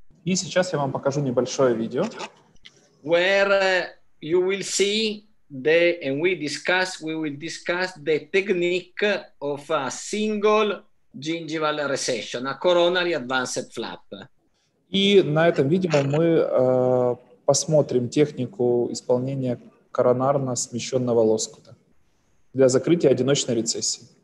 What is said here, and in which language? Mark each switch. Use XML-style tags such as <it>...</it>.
<ru>И сейчас я вам покажу небольшое видео.</ru> <en>Where you will see the and we will discuss the technique of a single gingival recession, a coronary advanced flap.</en> <ru>И на этом видео мы посмотрим технику исполнения коронарно-смещенного лоскута для закрытия одиночной рецессии.</ru>